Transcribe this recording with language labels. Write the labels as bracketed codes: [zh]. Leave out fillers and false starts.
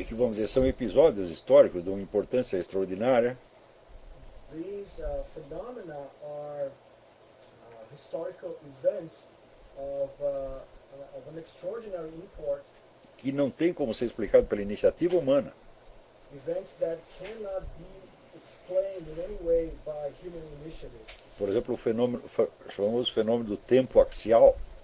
[pt] E que, vamos dizer, são episódios históricos de uma importância extraordinária. [en] These phenomena are historical events of an extraordinary import. [pt] Que não tem como ser explicado pela iniciativa humana. [en] Events that cannot be explained in any way by human initiative. [pt] Por exemplo, o famoso fenômeno do tempo axial.